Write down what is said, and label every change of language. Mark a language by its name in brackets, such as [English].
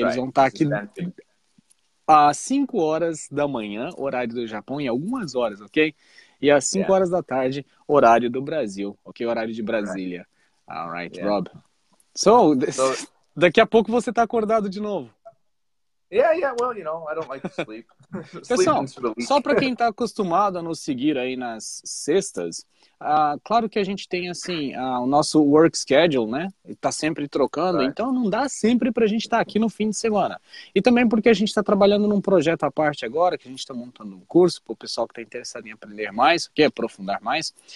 [Portuguese] e eles vão estar aqui às 5 horas da manhã, horário do Japão, em algumas horas, ok? E às 5 horas da tarde, horário do Brasil, ok? Horário de Brasília. [English] All right, Rob. [Portuguese] Daqui a pouco você tá acordado de novo. [English] Well, you know, I don't like to sleep. [Portuguese] Pessoal, só para quem tá acostumado a nos seguir aí nas sextas, claro que a gente tem, assim, o nosso work schedule, né? Tá sempre trocando, então não dá sempre pra gente estar aqui no fim de semana. E também porque a gente tá trabalhando num projeto à parte agora, que a gente tá montando um curso pro pessoal que tá interessado em aprender mais, quer aprofundar mais.